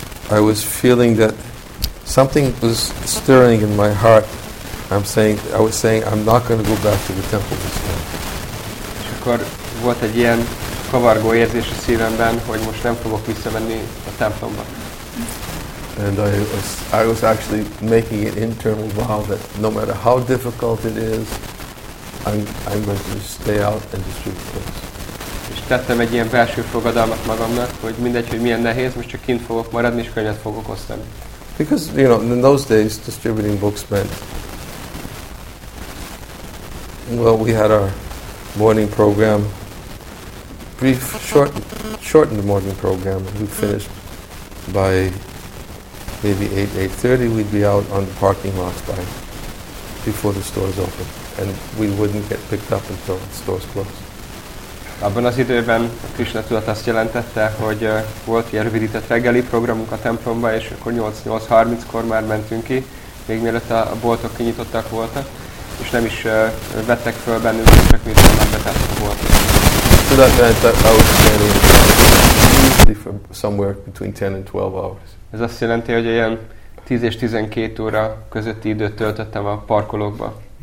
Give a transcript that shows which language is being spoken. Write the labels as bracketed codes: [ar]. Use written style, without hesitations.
[en] I was feeling that something was stirring in my heart. I was saying, I'm not going to go back to the temple this time. [hu] És akkor volt egy ilyen kavargó érzés a szívemben, hogy most nem fogok visszamenni a templomba. [en] And I was actually making an internal vow that no matter how difficult it is, I'm going to stay out and distribute books. [hu] És tettem egy ilyen belső fogadalmat magamnak, hogy mindegy, hogy milyen nehéz, most csak kint fogok maradni, és könyvet fogok osztani. [en] Because, you know, in those days, distributing books meant, well, we had our morning program, brief, shortened morning program, and we finished by maybe 8:30, we'd be out on the parking lots by before the store is open, and we wouldn't get picked up until the store is closed. [hu] Abban az időben a Krisna tudat azt jelentette, hogy volt ilyen rövidített reggeli programunk a templomba, és akkor 8-8.30-kor már mentünk ki, még mielőtt a boltok kinyitottak voltak, és nem is vettek föl bennünk, csak miután megbetettek a boltok. [en] So that meant that I was standing for somewhere between 10 and 12 hours. [hu] Ez azt jelenti, hogy ilyen 10 és 12 óra közötti időt töltöttem a parkolókba.